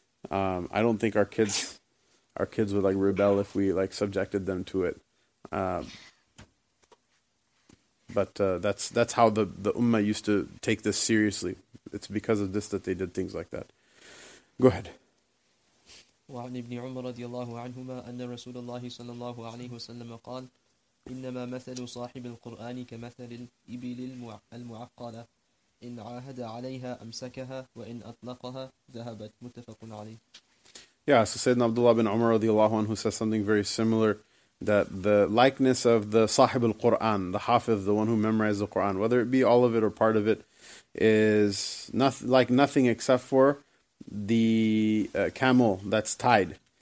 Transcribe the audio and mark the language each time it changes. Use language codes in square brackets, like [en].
[en] I don't think our kids would like rebel if we like subjected them to it. That's how the ummah used to take this seriously. It's because of this that they did things like that. Go ahead. [ar] وعن ابن عمر رضي الله عنهما أن رسول الله صلى الله عليه وسلم قال إنما مثل صاحب القرآن كمثل الإبل المعقلة إن عاهد عليها أمسكها وإن أطلقها ذهبت. متفق عليه. [en] Yeah, so Sayyidina Abdullah bin Umar radiallahu anhu says something very similar, that the likeness of the Sahib al-Quran, the Hafiz, the one who memorized the Quran, whether it be all of it or part of it, is nothing except for the camel that's tied.